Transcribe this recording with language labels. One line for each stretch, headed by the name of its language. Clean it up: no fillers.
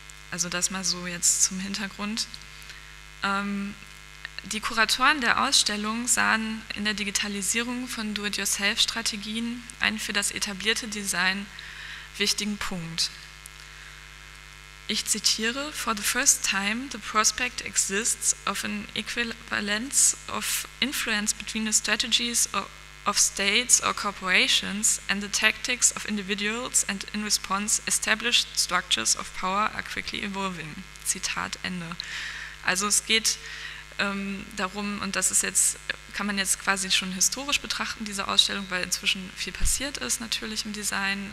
German: Also das mal so jetzt zum Hintergrund. Die Kuratoren der Ausstellung sahen in der Digitalisierung von Do-it-yourself-Strategien einen für das etablierte Design wichtigen Punkt. Ich zitiere:
English: "For the first time, the prospect exists of an equivalence of influence between the strategies of states or corporations and the tactics of individuals, and in response, established structures of power are quickly evolving."
German: Zitat Ende. Also es geht darum, und das ist jetzt, kann man jetzt quasi schon historisch betrachten, diese Ausstellung, weil inzwischen viel passiert ist natürlich im Design.